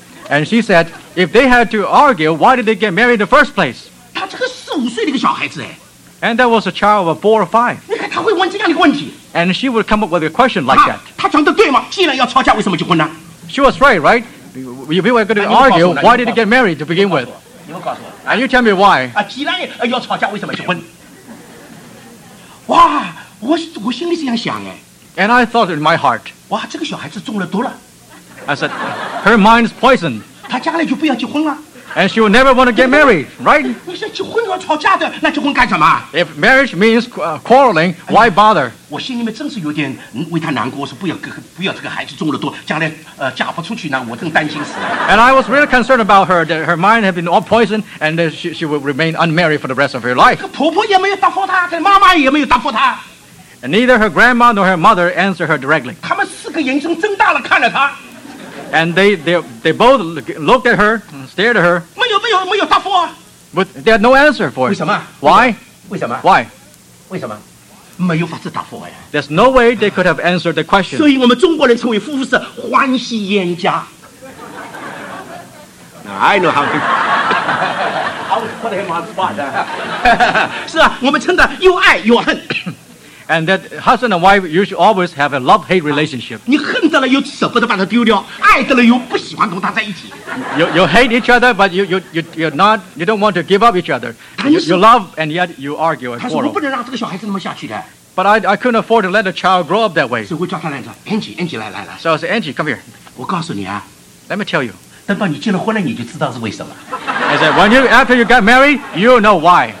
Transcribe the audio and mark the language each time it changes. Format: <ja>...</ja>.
<en>And she said, if they had to argue, why did they get married in the first place?</en> <zh>他这个四五岁的一个小孩子哎。</zh> <en>And that was a child of 4 or 5.</en> <zh>你看他会问这样的问题。</zh> <en>And she would come up with a question like that.</en> <zh>他讲的对吗？既然要吵架，为什么结婚呢？</zh> <en>She was right, right? If we were going to argue, why did they get married to begin with?</en> <zh>你们告诉我。</zh> <en>And you tell me why?</en> <zh>既然要吵架，为什么结婚？哇！我心里这样想哎</zh> <en>，and I thought in my heart，</en> <zh>哇，这个小孩子中了毒了。</zh> <en>I said, her mind is poisoned。</en> <zh>她将来就不要结婚了。</zh> <en>And she will never want to get married, right?</en> <zh>你是结婚都要吵架的，那结婚干什么？</zh> <en>If marriage means quarreling, why bother?</en> <zh>我心里面真是有点为她难过，我说不要这个孩子中了毒，将来嫁不出去呢，我正担心死了。</zh> <en>And I was really concerned about her, that her mind had been all poisoned, and that she would remain unmarried for the rest of her life.</en> <zh>婆婆也没有答复她，她妈妈也没有答复她。</zh> <en>And neither her grandma nor her mother answered her directly.</en> <zh>他们四个眼睛睁大了看着她。</zh> <en>And they both looked at her, stared at her.</en> <zh>没有答复。</zh> <en>But they had no answer for it.</en> <zh>为什么？</zh> <en>Why?</en> <zh>为什么？</zh> <en>Why?</en> <zh>为什么？没有法子答复呀。</zh> <en>There's no way they could have answered the question.</en> <zh>所以我们中国人称为夫妇是欢喜冤家。</zh> <en>I know how to... I was putting him on the spot.</en> <zh>是啊，我们称的又爱又恨。</zh> <en>And that husband and wife, you should always have a love-hate relationship.</en> <zh>你恨得了又舍不得把它丢掉，爱得了又不喜欢跟他在一起。</zh> <en>You hate each other, but you don't want to give up each other. You love, and yet you argue and quarrel.</en> <zh>他说我不能让这个小孩子那么下去的。But</zh> <en>I couldn't afford to let a child grow up that way.</en> <zh>所以我叫他来着，Angie，Angie来。</zh> <en>So I said, Angie, come here.</en> <zh>我告诉你啊。</zh> <en>Let me tell you.</en> <zh>等到你结了婚了，你就知道是为什么。</zh> <en>I said, after you got married, you'll know why.</en>